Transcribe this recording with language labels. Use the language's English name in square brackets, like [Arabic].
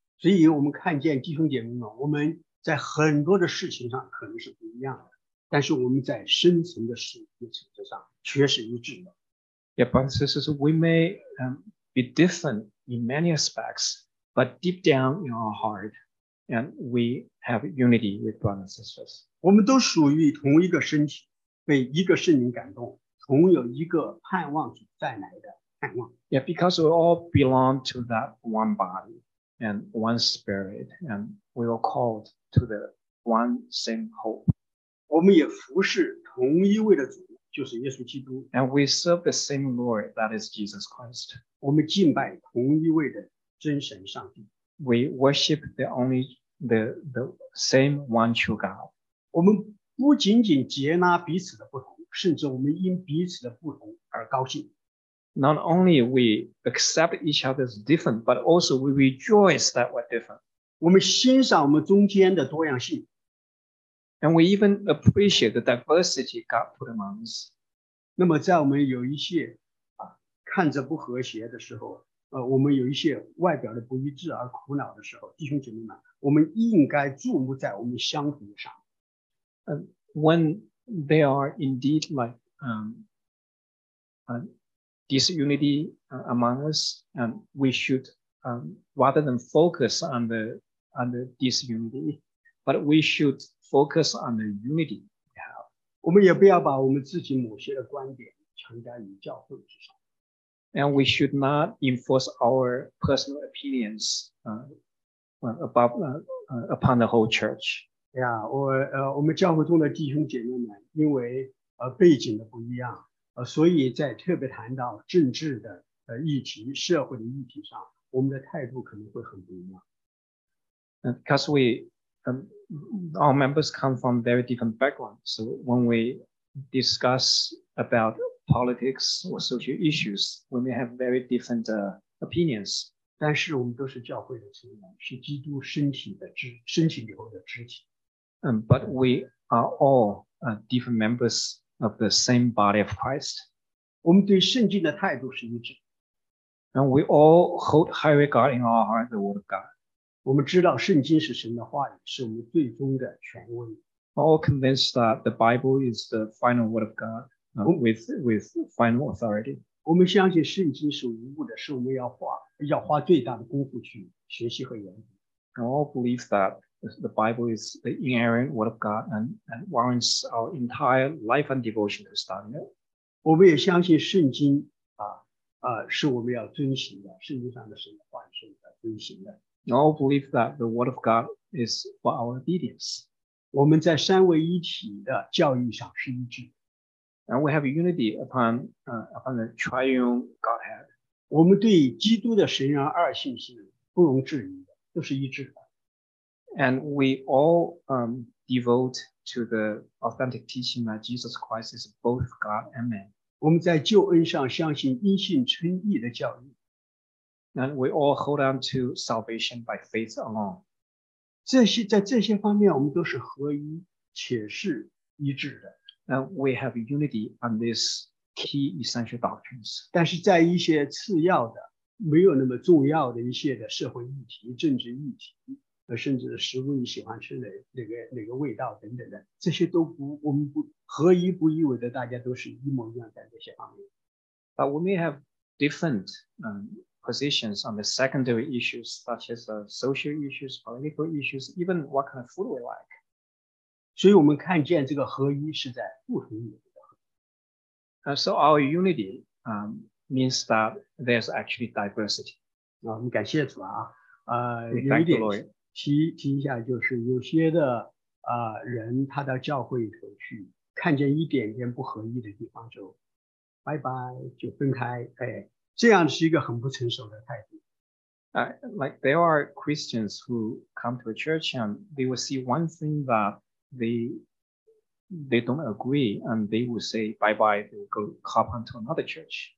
[Chinese] 所以我们看见弟兄姐妹们，我们在很多的事情上可能是不一样的，但是我们在深层的属灵层次上却是一致的。 [English] Yeah, but this is we may be different in many aspects, but deep down in our heart, and we have unity with brothers and sisters. [Chinese] 我们都属于同一个身体，被一个圣灵感动，同有一个盼望主再来的盼望。 [English] Yeah, because we all belong to that one body and one spirit, and we were called to the one same hope. [Chinese] 我们也服侍同一位的主，就是耶稣基督。 [English] And we serve the same Lord, that is Jesus Christ. [Chinese] 我们敬拜同一位的真神上帝。 [English] We worship the same one true God. [Chinese] 我们不仅仅接纳彼此的不同，甚至我们因彼此的不同而高兴。 [English] Not only we accept each other's different, but also we rejoice that we're different. [Chinese] 我们欣赏我们中间的多样性。 [English] And we even appreciate the diversity God put among us. [Chinese] 那么在我们有一些看着不和谐的时候，我们有一些外表的不一致而苦恼的时候，弟兄姐妹们，我们应该注目在我们相同上。 [English] When they are indeed like disunity among us, and we should rather than focus on the disunity, but we should focus on the unity we have. [Chinese] 我们也不要把我们自己某些的观点强加于教会之上。 [English] And we should not enforce our personal opinions upon the whole church. [Chinese] Yeah, 我们教会中的弟兄姐妹们，因为背景的不一样，所以在特别谈到政治的议题、社会的议题上，我们的态度可能会很不一样。 [English] Because we our members come from very different backgrounds, so when we discuss about politics or social issues, we may have very different opinions. [Chinese] 但是我们都是教会的成员，是基督身体的肢，身体里头的肢体。 [English] But we are all different members of the same body of Christ. [Chinese] 我们对圣经的态度是一致。 [English] And we all hold high regard in our heart the word of God. [Chinese] 我们知道圣经是神的话语，是我们最终的权威。 [English] We're all convinced that the Bible is the final word of God, with final authority. [Chinese] 我们相信圣经是无误的，是我们要花最大的功夫去学习和研读。 [English] We all believe that the Bible is the inerrant word of God and warrants our entire life and devotion to study it. [Chinese] 我们也相信圣经是我们要遵循的，圣经上的神的话语是我们要遵循的。 [English] We all believe that the word of God is for our obedience. [Chinese] 我们在三位一体的教义上是一致。 [English] And we have unity upon the triune Godhead. [Chinese] 我们对基督的神人二性是不容置疑的。就是一致。 [English] And we all devote to the authentic teaching that Jesus Christ is both God and man. [Chinese] 我们在救恩上相信因信称义的教义。 [English] And we all hold on to salvation by faith alone. [Chinese] 这些在这些方面我们都是合一且是一致的。 [English] And we have unity on these key essential doctrines. [Chinese] 但是在一些次要的没有那么重要的一些的社会议题政治议题甚至食物你喜欢吃的哪个味道等等的这些都不我们不合一不意味着大家都是一模一样在这些方面。 [English] But we may have different positions on the secondary issues, such as social issues, political issues, even what kind of food we like. [Chinese] 所以我们看见这个合一是在不同领域的合一。 [English] So our unity means that there's actually diversity. [Chinese] 我们感谢主啊。 [English] Thank the Lord. [Chinese] 提一下就是有些的、人他到教会里头去看见一点点不合一的地方就拜拜就分开、哎、这样是一个很不成熟的态度。 [English] Like there are Christians who come to a church and they will see one thing that they don't agree and they will say bye bye, they will go hop onto another church.